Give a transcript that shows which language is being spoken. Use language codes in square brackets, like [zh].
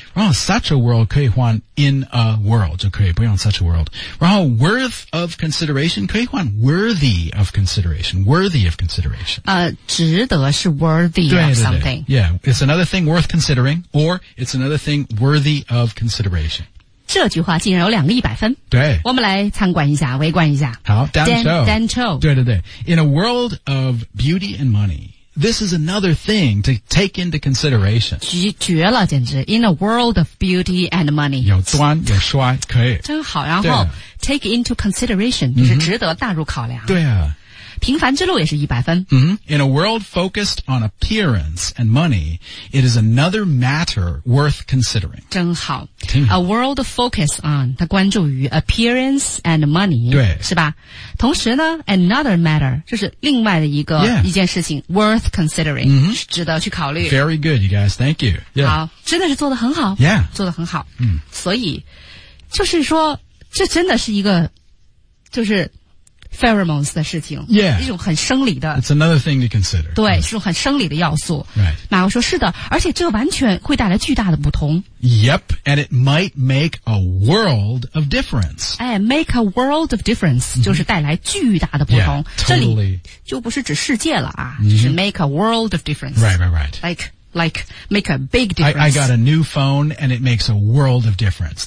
[en] 然后 such a world 可以换 in a world 就可以不用 such a world. 然后 worth of consideration 可以换 worthy of consideration, worthy of consideration. [zh] 值得是 worthy of something. 对对对 [en] yeah, it's another thing worth considering or it's another thing worthy of consideration. [zh] 这句话竟然有两个一百分。对。我们来参观一下围观一下。好 Dan Cho。对对对。 [en] In a world of beauty and money, this is another thing to take into consideration. [zh] 绝了简直。 [en] In a world of beauty and money. [zh] 有端有帅可以。真好然后 [en] take into consideration, [zh] 就是值得纳入考量。对啊。平凡之路也是一百分。 [en] In a world focused on appearance and money, it is another matter worth considering. [zh] 真好。挺好。 [en] A world focused on, [zh] 它关注于 [en] appearance and money. [zh] 对。是吧同时呢 [en] another matter, [zh] 就是另外的一个、 [en] yeah. [zh] 一件事情 [en] worth considering,、 mm-hmm. [zh] 值得去考虑。 [en] Very good, you guys, thank you.、 [zh] Yeah. 好真的是做得很好。 [en] Yeah. [zh] 做得很好。嗯。所以就是说这真的是一个就是pheromones 的事情 [en] yeah, [zh] 一种很生理的 [en] It's another thing to consider [zh] 对、right. 是种很生理的要素、 [en] right. [zh] 马克说是的而且这完全会带来巨大的不同 [en] Yep, and it might make a world of difference、哎、Make a world of difference、mm-hmm. [zh] 就是带来巨大的不同 [en] yeah, totally. [zh] 这里就不是指世界了啊、mm-hmm. 就是 [en] make a world of difference Right, right, right Like, make a big difference. I got a new phone and it makes a world of difference.